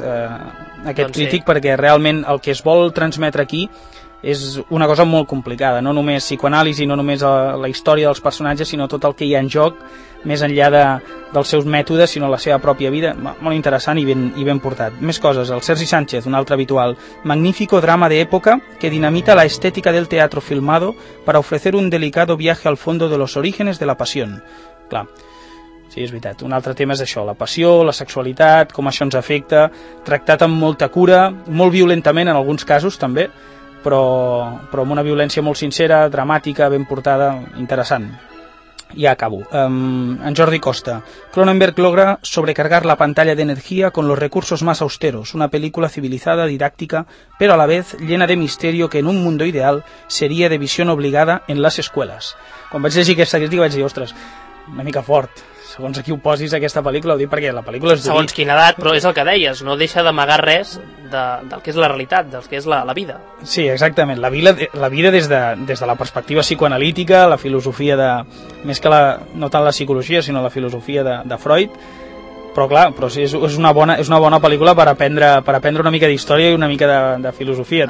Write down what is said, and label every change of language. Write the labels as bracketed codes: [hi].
[ca] doncs crític, sí. Perquè realment el que es vol transmetre aquí és una cosa molt complicada, no només psicoanàlisi, no només la història dels personatges, sinó tot el que hi ha en joc més enllà dels seus mètodes, sinó la seva pròpia vida. Molt interessant i ben portat. Més coses, el Sergi Sánchez, un altre habitual. [es] Magnífico drama d'època que dinamita la estètica del teatro filmado para ofrecer un delicado viaje al fondo de los orígenes de la pasión. [ca] Clar. Sí, és veritat. Un altre tema és això, la passió, la sexualitat, com això ens afecta, tractat amb molta cura, molt violentament en alguns casos també, però amb una violència molt sincera, dramàtica, ben portada, interessant. Ja acabo. En Jordi Costa. [es] Cronenberg logra sobrecargar la pantalla d'energia con los recursos más austeros, una película civilizada, didáctica, pero a la vez llena de misterio que en un mundo ideal sería de visión obligada en las escuelas. [ca] Quan vaig llegir aquesta crítica vaig dir, ostres, una mica fort... segons a qui ho posis aquesta pel·lícula, ho dic perquè la pel·lícula és... Segons quina edat, però és el que deies, no deixa d'amagar res del que és la realitat, del que és la vida. Sí, exactament, la vida des de la perspectiva psicoanalítica, la filosofia de... Més que no tant la psicologia, sinó la filosofia de Freud, però clar, però sí, és una bona pel·lícula per aprendre una mica d'història i una mica de filosofia.